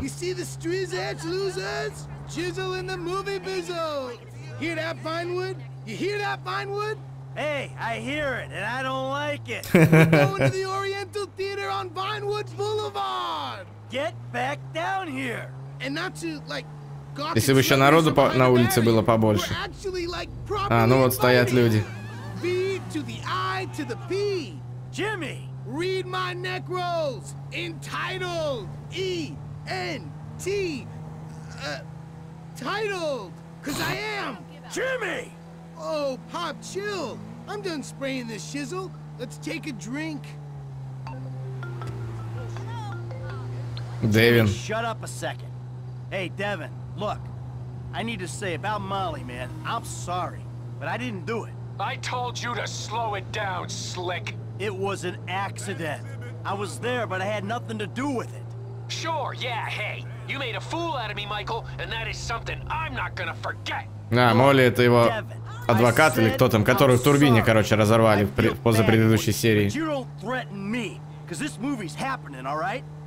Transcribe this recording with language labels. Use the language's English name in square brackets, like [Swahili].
[English] You see the Striz Edge losers? Chisel in the movie bizzle! Hear that, Vinewood? You hear that, Vinewood? Hey, I hear it, and I don't like it. We're going to the Oriental Theater on Vinewood Boulevard! Get back down here! And not to, like, [Russian] gawk Если бы еще народу по- на улице было побольше. [English] Actually, like, [Russian] а, ну вот стоят люди. [English] B to the I to the P. Jimmy! Read my neck rolls! Entitled! E-N-T! Titled! Cause I am! Jimmy! Oh, Pop, chill! I'm done spraying this shizzle. Let's take a drink. Devin. Shut up a second. Hey, Devin, look. I need to say about Molly, man. I'm sorry, but I didn't do it. I told you to slow it down, slick. It was an accident. I was there, but I had nothing to do with it. Sure, yeah, hey. You made a fool out of me, Michael, and that is something I'm not gonna forget. [Russian] Да, Молли — это его адвокат или кто там, которого в турбине, короче, разорвали в позапредыдущей серии. [English] But you don't threaten me, because this movie's happening, all right?